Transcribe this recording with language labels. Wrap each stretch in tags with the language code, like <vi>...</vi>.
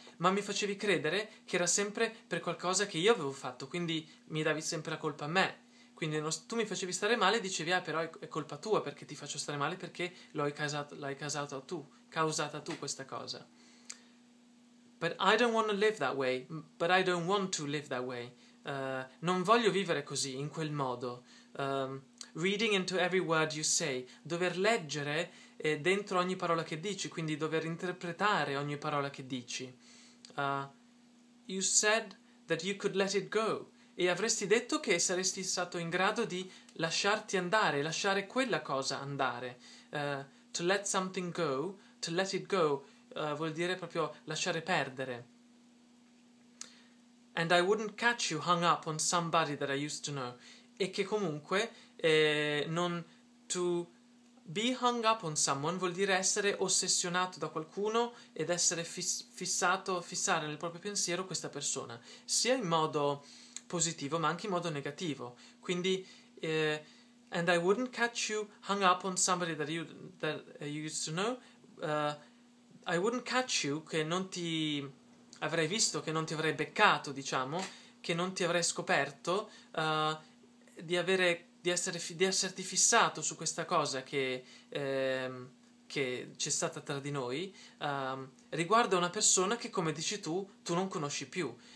<it>Ma mi facevi credere che era sempre per qualcosa che io avevo fatto, quindi mi davi sempre la colpa a me. Quindi tu mi facevi stare male e dicevi, ah però è colpa tua perché ti faccio stare male, perché causata tu questa cosa.</it> <en>But I don't want to live that way. But I don't want to live that way.</en> <it>Non voglio vivere così, in quel modo.</it> <en>Reading into every word you say.</en> <it>Dover leggere dentro ogni parola che dici, quindi dover interpretare ogni parola che dici.</it> <en>You said that you could let it go.</en> <it>E avresti detto che saresti stato in grado di lasciarti andare, lasciare quella cosa andare.</it> <en>To let something go. To let it go</en> <it>vuol dire proprio lasciare perdere.</it> <en>And I wouldn't catch you hung up on somebody that I used to know.</en> <it>E che comunque non...</it> <en>To be hung up on someone</en> <it>vuol dire essere ossessionato da qualcuno ed essere fissare nel proprio pensiero questa persona. Sia in modo positivo ma anche in modo negativo. Quindi...</it> <en>And I wouldn't catch you hung up on somebody that you used to know. I wouldn't catch you,</en> <it>che non ti avrei visto, che non ti avrei beccato, diciamo, che non ti avrei scoperto di esserti fissato su questa cosa che c'è stata tra di noi, riguardo a una persona che, come dici tu non conosci più.</it>